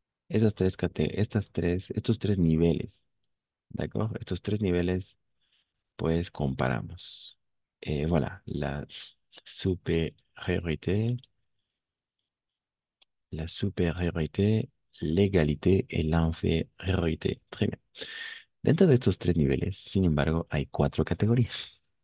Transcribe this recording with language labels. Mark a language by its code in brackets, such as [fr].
[es] Estos tres niveles, ¿de acuerdo? Estos tres niveles, pues comparamos. [fr] Voilà, la supériorité, l'égalité et l'infériorité. Très bien. [es] Dentro de estos tres niveles, sin embargo, hay cuatro categorías.